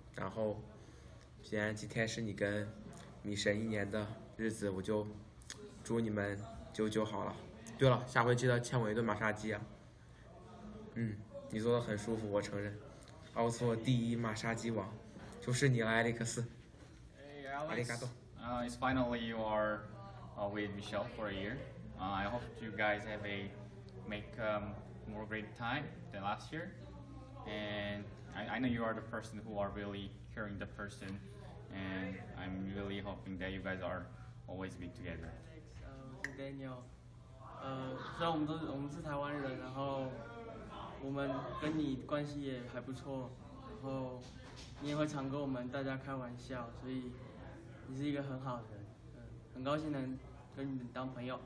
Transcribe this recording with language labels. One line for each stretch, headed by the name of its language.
Chinese: 然后，既然今天是你跟米神一年的。日子我就祝你们久久好了。对了，下回记得欠我一顿玛莎鸡啊。你做的很舒服，我承认。奥错第一玛莎鸡王，就是你了，艾利克斯。
English: Hey, Alex. It's finally you are with Michelle for a year. I hope you guys have a make more great time than last year. And I know you are the person who are really caring the person, and I'm really hoping that you guys are always be together.
Chinese: Daniel, 虽然我们是台湾人，然后我们跟你关系也还不错，然后你也会常跟我们大家开玩笑，所以你是一个很好的人，很高兴能跟你们当朋友。